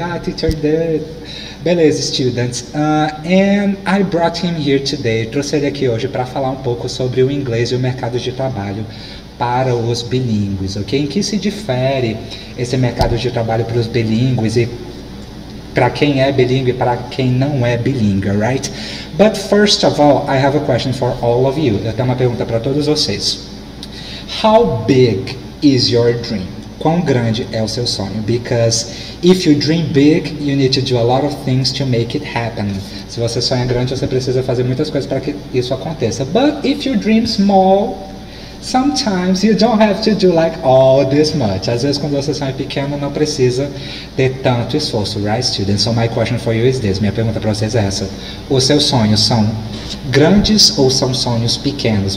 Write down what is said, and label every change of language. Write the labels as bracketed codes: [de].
[en] Ah, teacher Dre. Beleza, students. And I brought him here today. [pt] Trouxe ele aqui hoje para falar um pouco sobre o inglês e o mercado de trabalho para os bilíngues, ok? Em que se difere esse mercado de trabalho para os bilíngues e para quem é bilíngue, para quem não é bilíngue, right? [en] But first of all, I have a question for all of you. [pt] Eu tenho uma pergunta para todos vocês. [en] How big is your dream? [pt] Quão grande é o seu sonho? [en] Because if you dream big, you need to do a lot of things to make it happen. [pt] Se você sonha grande, você precisa fazer muitas coisas para que isso aconteça. [en] But if you dream small, sometimes you don't have to do like all this much. [pt] Às vezes, quando você sai pequeno, não precisa ter tanto esforço, right, students? [en] So my question for you is this. [pt] Minha pergunta para vocês é essa. Os seus sonhos são grandes ou são sonhos pequenos?